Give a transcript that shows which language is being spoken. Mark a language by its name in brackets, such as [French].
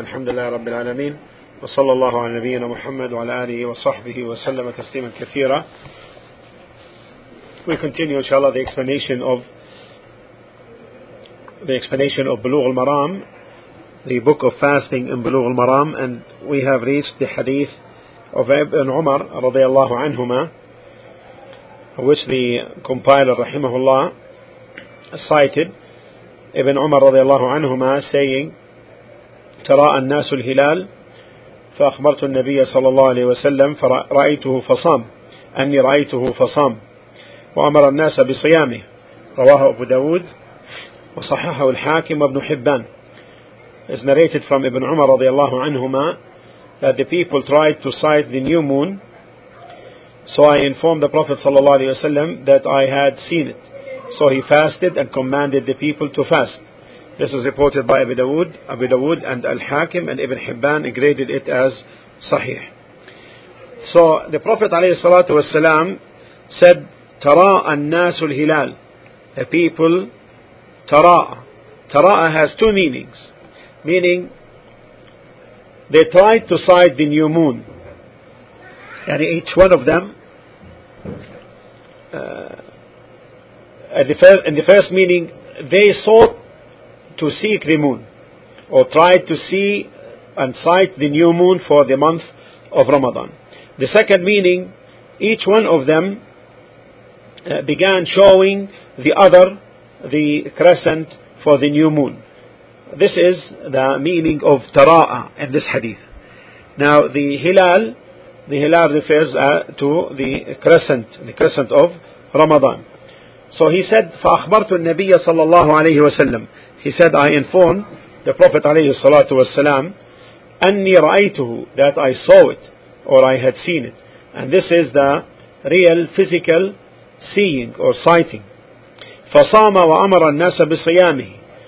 [Arabic] الحمد لله رب العالمين، وصلى الله على نبينا محمد وعلى آله وصحبه وسلم تسليما كثيرا. [English] We continue inshallah the explanation of Bulugh al-Maram, the book of fasting in Bulugh al-Maram, and we have reached the hadith of Ibn Umar radiallahu anhuma, which the compiler rahimahullah cited Ibn Umar radiallahu anhuma saying, [Arabic] تراء الناس الهلال فأخبرت النبي صلى الله عليه وسلم فرأيته فصام أني رأيته فصام وأمر الناس بصيامه. رواه أبو داود وصححه الحاكم وابن حبان. [English] Is narrated from Ibn Umar [Arabic] رضي الله عنهما [English] that the people tried to sight the new moon, so I informed the Prophet [Arabic] صلى الله عليه وسلم [English] that I had seen it, so he fasted and commanded the people to fast. This is reported by Abu Dawood and Al-Hakim, and Ibn Hibban graded it as Sahih. So the Prophet [Arabic] عليه الصلاة والسلام [English] said, [Arabic] تراء الناس الهلال. [English] The people تراء. تراء has two meanings. Meaning, they tried to sight the new moon. And each one of them, in the first meaning, they sought to seek the moon, or tried to see and sight the new moon for the month of Ramadan. The second meaning, each one of them began showing the other the crescent for the new moon. This is the meaning of tara'a in this hadith. Now the hilal refers to the crescent of Ramadan. So he said, [Arabic] فَأَخْبَرْتُ النَّبِيَّ صَلَّى اللَّهُ عَلَيْهِ وَسَلَّمْ. [English] He said, I informed the Prophet [Arabic] عليه الصلاة والسلام, أَنِّي رَأَيْتُهُ, [English] that I saw it, or I had seen it. And this is the real physical seeing or sighting. [Arabic] فَصَامَ وَأَمَرَ النَّاسَ بِصِيَامِهِ.